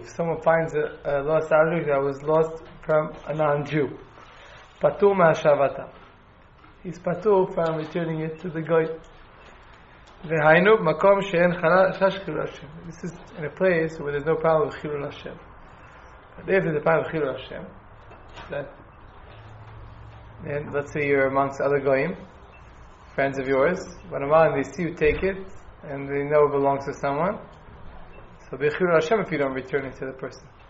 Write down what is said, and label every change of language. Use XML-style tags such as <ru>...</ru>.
<en>Some of finds a lost object that was lost from a non-Jew.</en> <he>פטור מהשבתה.</he> <en>He's פטור from returning it to the goy.</en> <he>והיינו במקום שאין חשש חילול השם.</he> <en>This is in a place where there's no power of חילול השם. But if there's a power of חילול השם, then let's say you're amongst other goyim, friends of yours, but among them they see you take it and they know it belongs to someone, so be chilul Hashem if you don't return it to the person.</en>